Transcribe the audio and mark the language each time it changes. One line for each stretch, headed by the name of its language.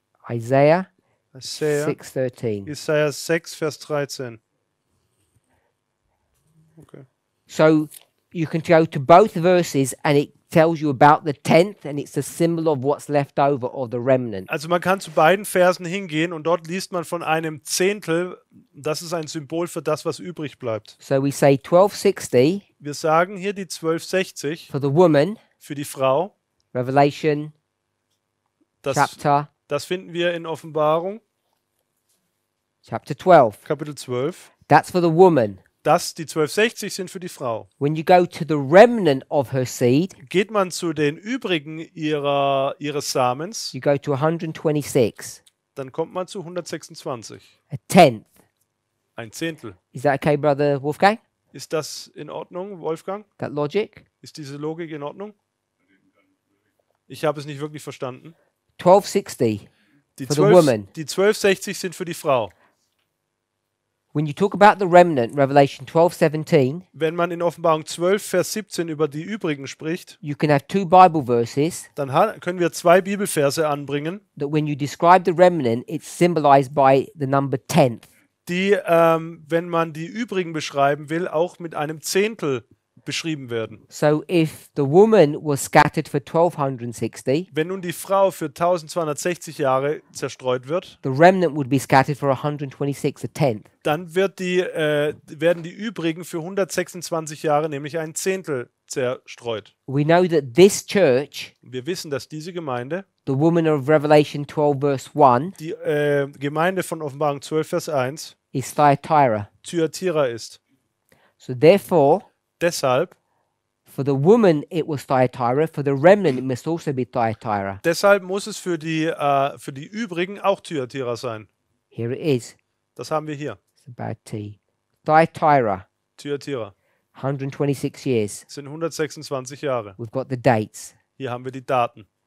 English: Isaiah 6:13.
German: Isaiah 6, Vers 13.
English: Okay. So you can go to both verses and it tells you about the tenth and it's a symbol of what's left over or the remnant.
German: Also man kann zu beiden Versen hingehen und dort liest man von einem Zehntel. Das ist ein Symbol für das, was übrig bleibt.
English: So we say 1260.
German: Wir sagen hier die 1260.
English: For the woman.
German: Für die Frau.
English: Revelation.
German: Das, chapter. Das finden wir in Offenbarung.
English: Chapter 12.
German: Kapitel 12.
English: That's for the woman.
German: Das, die 1260 sind für die Frau.
English: When you go to the remnant of her seed,
German: geht man zu den übrigen ihres Samens,
English: you go to 126.
German: Dann kommt man zu 126.
English: A tenth.
German: Ein Zehntel.
English: Is that okay, Brother Wolfgang?
German: Ist das in Ordnung, Wolfgang?
English: That logic?
German: Ist diese Logik in Ordnung? Ich habe es nicht wirklich verstanden.
English: 1260
German: die
English: for the woman.
German: Die 1260 sind für die Frau.
English: When you talk about the remnant, Revelation 12:17,
German: wenn man in Offenbarung 12, Vers 17 über die übrigen spricht,
English: you can have two Bible verses,
German: dann können wir zwei Bibelverse anbringen,
English: that when you describe the remnant, it's symbolized by the number tenth.
German: Die, wenn man die übrigen beschreiben will, auch mit einem Zehntel beschrieben werden.
English: So if the woman was scattered for 1260,
German: wenn nun die Frau für 1260 Jahre zerstreut wird,
English: the remnant would be scattered for 126, a tenth.
German: Dann wird werden die übrigen für 126 Jahre, nämlich ein Zehntel, zerstreut.
English: We know that this church,
German: wir wissen, dass diese Gemeinde,
English: the woman of Revelation 12, verse 1,
German: die Gemeinde von Offenbarung 12, Vers 1,
English: is Thyatira.
German: Thyatira ist.
English: So therefore,
German: deshalb,
English: for the woman it was Thyatira, for the remnant it must also be Thyatira.
German: Deshalb muss es für die übrigen auch Thyatira sein.
English: Here it is.
German: Das haben wir hier.
English: It's a bad T. Thyatira.
German: Thyatira.
English: 126 years.
German: Sind 126 Jahre.
English: We've got the dates.
German: Hier haben wir die Daten.